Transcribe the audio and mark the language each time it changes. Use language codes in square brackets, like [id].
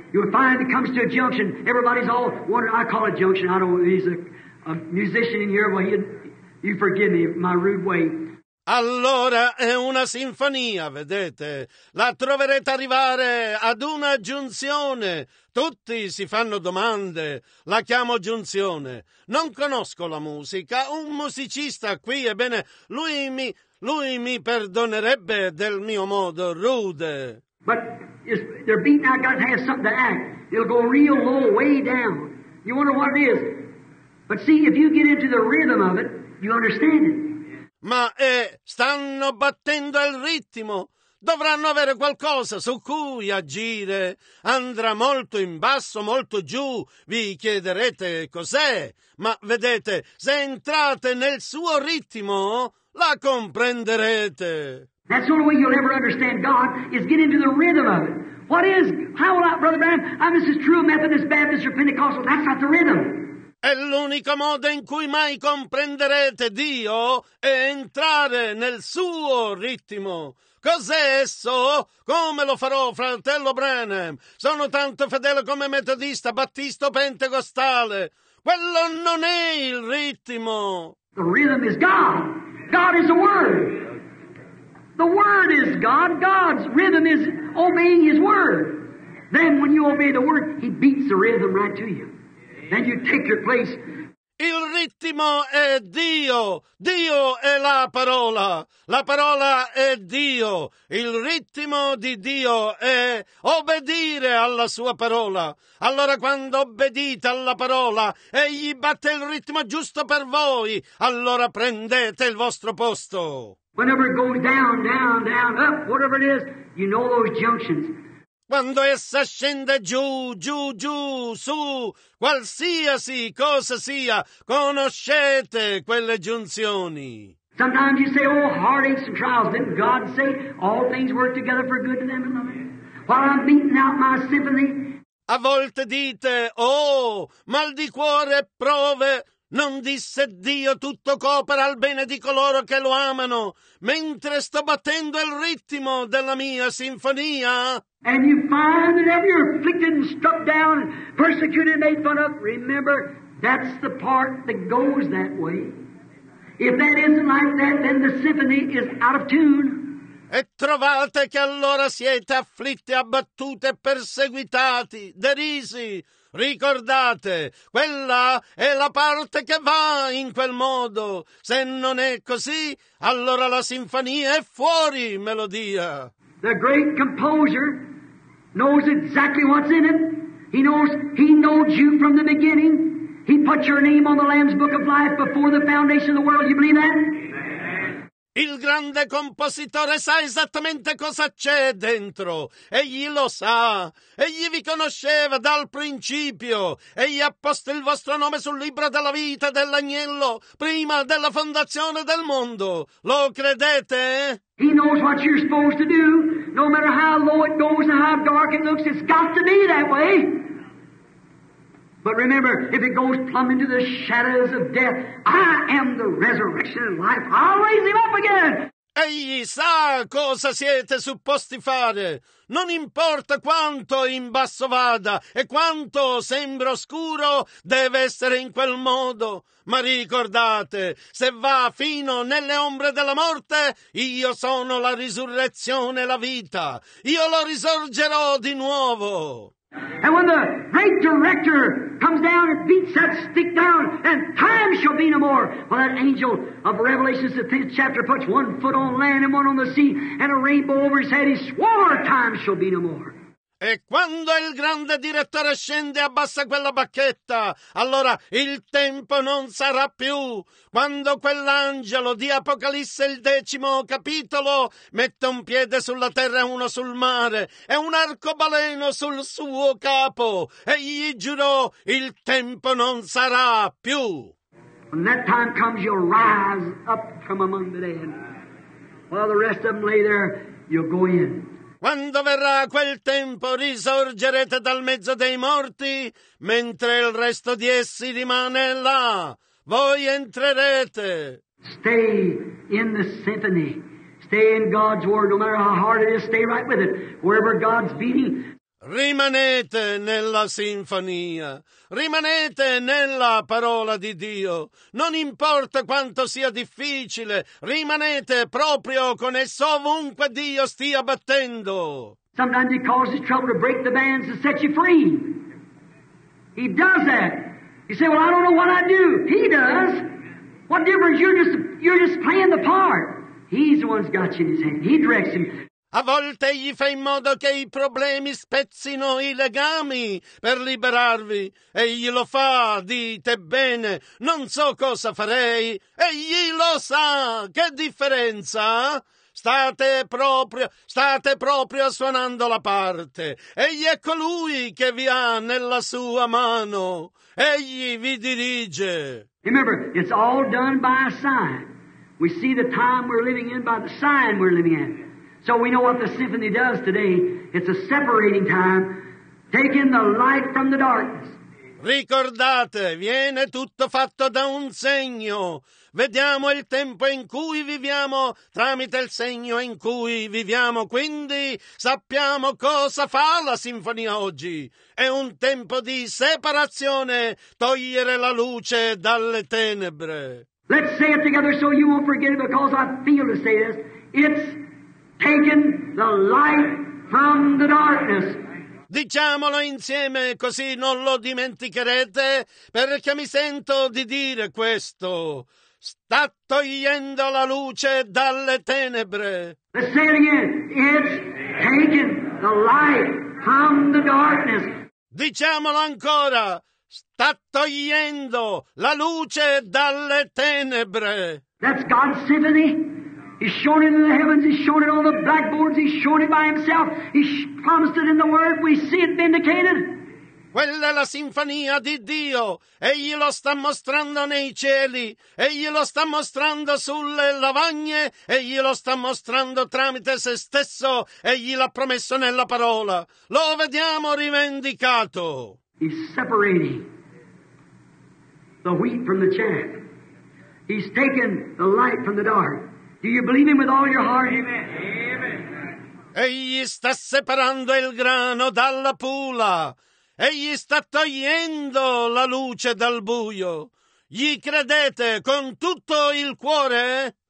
[en] You find it comes to a junction. Everybody's all wondering. I call it a junction. I don't. He's a musician in here. Well, you forgive me my rude way. [it] Allora è una sinfonia, vedete? La troverete arrivare ad una giunzione. Tutti si fanno domande. La chiamo giunzione. Non conosco la musica. Un musicista qui, ebbene, lui mi perdonerebbe del mio modo rude. [en] But is their beat now got to have something to act. It'll go real low, way down. You wonder what it is. But see, if you get into the rhythm of it, you understand it. [it] Ma stanno battendo il ritmo. Dovranno avere qualcosa su cui agire. Andrà molto in basso, molto giù. Vi chiederete cos'è. Ma vedete, se entrate nel suo ritmo, la comprenderete. [en] That's the only way you'll ever understand God is get into the rhythm of it. What is? How will I, Brother Branham? I'm just as true a Methodist, Baptist, or Pentecostal. That's not the rhythm. [it] È l'unico modo in cui mai comprenderete Dio è entrare nel suo ritmo. Cos'è esso? Come lo farò, fratello Branham? Sono tanto fedele come metodista, battista, pentecostale. Quello non è il ritmo. [en] The rhythm is God. God is the Word. The Word is God. God's rhythm is obeying His Word. Then when you obey the Word, He beats the rhythm right to you. Then you take your place. [it] Il ritmo è Dio. Dio è la parola. La parola è Dio. Il ritmo di Dio è obbedire alla sua parola. Allora quando obbedite alla parola, egli batte il ritmo giusto per voi, allora prendete il vostro posto. [en] Whenever it goes down, down, down, up, whatever it is, you know those junctions. [it] Quando essa scende giù, giù, giù, su, qualsiasi cosa sia, conoscete quelle giunzioni. [en] Sometimes you say, oh, heartaches and trials. Didn't God say, all things work together for good to them and love? While I'm beating out my sympathy. [it] A volte dite, oh, mal di cuore e prove. Non disse Dio tutto coopera al bene di coloro che lo amano, mentre sto battendo il ritmo della mia sinfonia. [en] And you find that every afflicted, struck down, persecuted, made fun of, remember, that's the part that goes that way. If that isn't like that, then the symphony is out of tune. [it] E trovate che allora siete afflitti, abbattuti, perseguitati, derisi. Ricordate, quella è la parte che va in quel modo. Se non è così, allora la sinfonia è fuori melodia. [en] The great composer knows exactly what's in it. He knows you from the beginning. He put your name on the Lamb's Book of Life before the foundation of the world. You believe that? [it] Il grande compositore sa esattamente cosa c'è dentro. Egli lo sa. Egli vi conosceva dal principio. Egli ha posto il vostro nome sul libro della vita dell'agnello prima della fondazione del mondo. Lo credete? [en] He knows what you're supposed to do. No matter how low it goes and how dark it looks, it's got to be that way. But remember, if it goes plumb into the shadows of death, I am the resurrection and life. I'll raise him up again. [it] Egli sa cosa siete supposti fare. Non importa quanto in basso vada e quanto sembra oscuro, deve essere in quel modo. Ma ricordate, se va fino nelle ombre della morte, io sono la risurrezione e la vita. Io lo risorgerò di nuovo. [en] And when the great director comes down and beats that stick down, and time shall be no more. Well, that angel of Revelation, the 10th chapter, puts one foot on land and one on the sea, and a rainbow over his head, he swore time shall be no more. [it] E quando il grande direttore scende e abbassa quella bacchetta, allora il tempo non sarà più. Quando quell'angelo di Apocalisse, il 10° capitolo, mette un piede sulla terra e uno sul mare, e un arcobaleno sul suo capo, e gli giurò, il tempo non sarà più. [en] When that time comes, you'll rise up from among the dead. While the rest of them lay there, you'll go in. [it] Quando verrà quel tempo, risorgerete dal mezzo dei morti, mentre il resto di essi rimane là. Voi entrerete. [en] Stay in the symphony. Stay in God's word. No matter how hard it is, stay right with it. Wherever God's beating. [it] Rimanete nella sinfonia, rimanete nella parola di Dio. Non importa quanto sia difficile, rimanete proprio con esso ovunque Dio stia battendo. [en] Sometimes he causes trouble to break the bands and set you free. He does that. You say, well, I don't know what I do. He does. What difference? You're just playing the part. He's the one who's got you in his hand. He directs you. [it] A volte egli fa in modo che i problemi spezzino i legami per liberarvi. Egli lo fa, dite bene. Non so cosa farei. Egli lo sa. Che differenza? State proprio suonando la parte. Egli è colui che vi ha nella sua mano. Egli vi dirige. [en] Remember, it's all done by a sign. We see the time we're living in by the sign we're living in. So we know what the symphony does today. It's a separating time, taking the light from the darkness. [it] Ricordate, viene tutto fatto da un segno. Vediamo il tempo in cui viviamo tramite il segno in cui viviamo. Quindi sappiamo cosa fa la sinfonia oggi. È un tempo di separazione, togliere la luce dalle tenebre. [en] Let's say it together so you won't forget it, because I feel to say this. It's taken the light from the darkness. [it] Diciamolo insieme, così non lo dimenticherete, perché mi sento di dire questo. Sta togliendo la luce dalle tenebre. [en] Let's say it again. It's taking the light from the darkness. [it] Diciamolo ancora. Sta togliendo la luce dalle tenebre. [en] That's God's symphony. He's shown it in the heavens, he's shown it on the blackboards, he's shown it by himself, he's promised it in the word, we see it vindicated. [it] Quella è la sinfonia di Dio, egli lo sta mostrando nei cieli, egli lo sta mostrando sulle lavagne, egli lo sta mostrando tramite se stesso, egli l'ha promesso nella parola. Lo vediamo rivendicato. [en] He's separating the wheat from the chaff. He's taking the light from the dark. Do you believe him with all your heart? Amen. [it] Egli sta separando il grano dalla pula. Egli sta togliendo la luce dal buio. Gli credete con tutto il cuore?